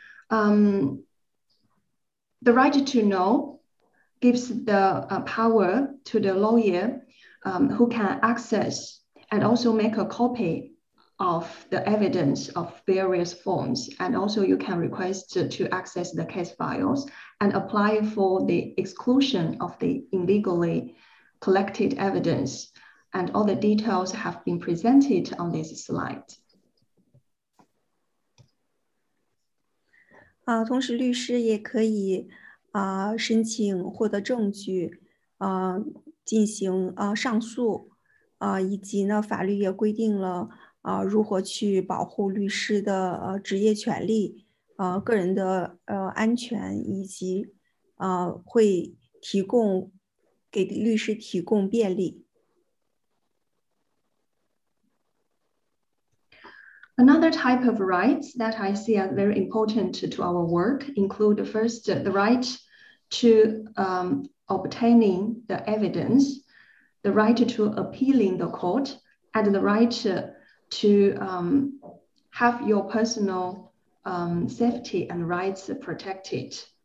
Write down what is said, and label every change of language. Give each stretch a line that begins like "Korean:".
English: The right to know gives the power to the lawyer who can access and also make a copy of the evidence of various forms. And also you can request to access the case files and apply for the exclusion of the illegally collected evidence. And all the details have been presented on this slide.
Chinese: 同时律师也可以申请获得证据，进行上诉，以及呢，法律也规定了如何去保护律师的职业权利，个人的安全，以及会提供给律师提供便利。
English: Another type of rights that I see are very important to our work include the first, the right to obtaining the evidence, the right to appealing the court, and the right to have your personal safety and rights protected.